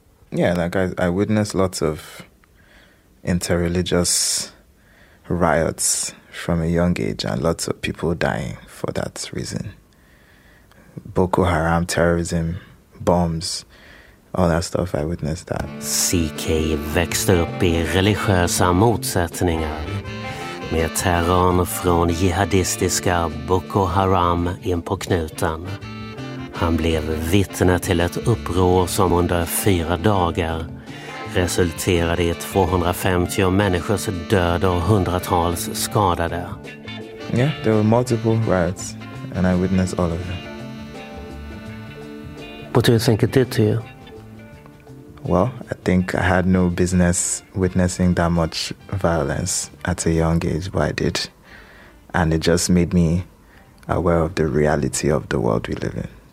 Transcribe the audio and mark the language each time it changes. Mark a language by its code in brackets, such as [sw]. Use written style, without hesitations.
[en] Yeah, like I witnessed lots of interreligious riots from a young age and lots of people dying for that reason. Boko Haram, terrorism, bombs, all that stuff, I witnessed that. [sv] CK växte upp i religiösa motsättningar. Med terrorn från jihadistiska Boko Haram in på knuten. Han blev vittne till ett uppror som under 4 dagar resulterade i 250 människors död och hundratals skadade. [en] Yeah, there were multiple riots and I witnessed all of them. What do you think it did to you? Well, I think I had no business witnessing that much violence at a young age, but I did. And it just made me aware of the reality of the world we live in.